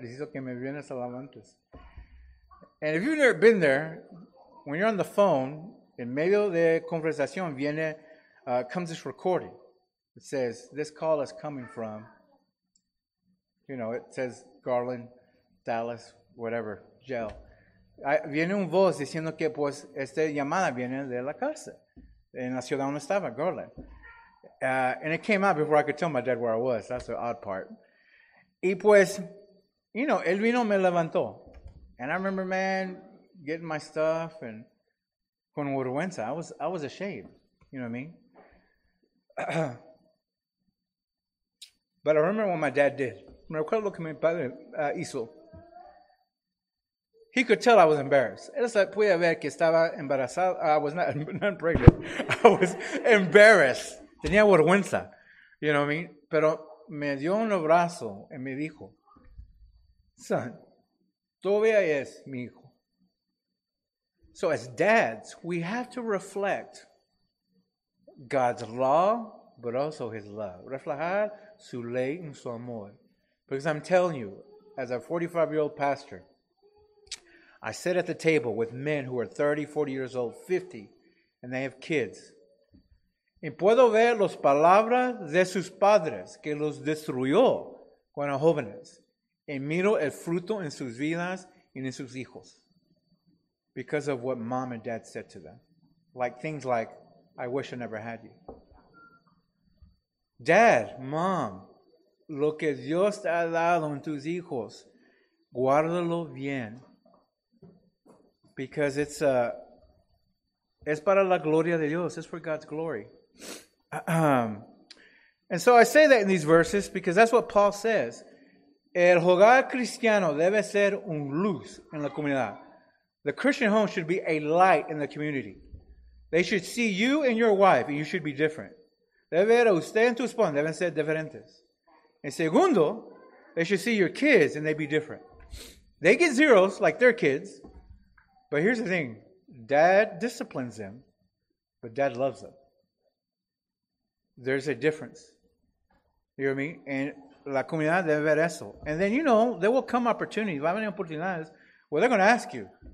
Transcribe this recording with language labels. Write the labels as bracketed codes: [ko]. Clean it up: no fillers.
[es] Necesito que me vienes a lavar antes. [en] And if you've never been there, when you're on the phone, [es] en medio de conversación viene, [en] comes this recording. It says, this call is coming from, you know, it says Garland, Dallas, whatever, jail. [es] Viene un voz diciendo que pues esta llamada viene de la cárcel, en la ciudad donde estaba, Garland. [en] And it came out before I could tell my dad where I was. That's the odd part. Y pues, you know, [es] el vino me levantó. [en] And I remember, man, getting my stuff and [es] con vergüenza. [en] I was ashamed, you know what I mean? But I remember what my dad did. [es] Me recuerdo lo que mi padre hizo. [en] He could tell I was embarrassed. [es] Él se podía ver que estaba embarazado. [en] I was not pregnant. I was embarrassed. [es] Tenía vergüenza, you know what I mean? Pero me dio un abrazo y me dijo, son, todavía es mi hijo. [en] So as dads, we have to reflect God's law, but also his love. [es] Reflejar su ley y su amor. [en] Because I'm telling you, as a 45-year-old pastor, I sit at the table with men who are 30, 40 years old, 50, and they have kids. [es] Y puedo ver las palabras de sus padres que los destruyó cuando jóvenes. Y miro el fruto en sus vidas y en sus hijos. [en] Because of what mom and dad said to them. Like things like, I wish I never had you. [es] Dad, mom, lo que Dios te ha dado en tus hijos, guárdalo bien. Because es para la gloria de Dios. [en] It's for God's glory. And so I say that in these verses because that's what Paul says. [es] El hogar cristiano debe ser un luz en la comunidad. [en] The Christian home should be a light in the community. They should see you and your wife, and you should be different. [es] Debe ver a usted y tu esposa, deben ser diferentes. [en] En segundo, they should see your kids, and they be different. They get zeros like their kids, but here's the thing. Dad disciplines them, but dad loves them. There's a difference. You hear me? And [es] la comunidad debe ver eso. [en] And then, you know, there will come opportunities. [es] Va a venir oportunidades. [en] Well, they're going to ask you.